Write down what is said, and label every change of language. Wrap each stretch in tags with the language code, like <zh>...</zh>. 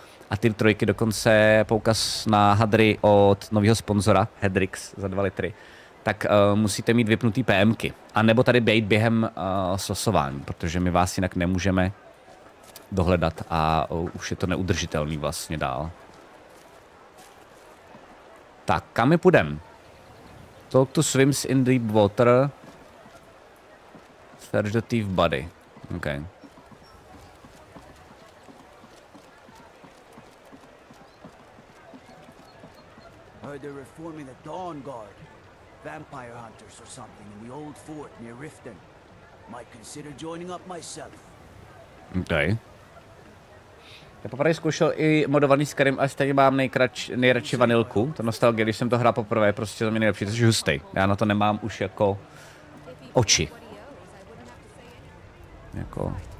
<cs>A tier trojky dokonce poukaz na hadry od nového sponzora, Hedrix, za 2 litry. Tak musíte mít vypnutý PMky. A nebo tady bejt během slosování, protože my vás jinak nemůžeme dohledat a už je to neudržitelný vlastně dál. Tak, kam my půjdem?</cs> <en>Talk to swims in deep water. Search the thief body. OK. Heard they're reforming the Dawn Guard. Vampire hunters or something in the old fort near Riften. Might consider joining up myself. OK.</en> <cs>Já poprvé zkoušel i modovaný Skyrim, ale stejně mám nejradši vanilku. To nostalgie, když jsem to hrál poprvé, prostě to mě nejlepší, to je hustý. Já na to nemám už jako oči. Jako...</cs>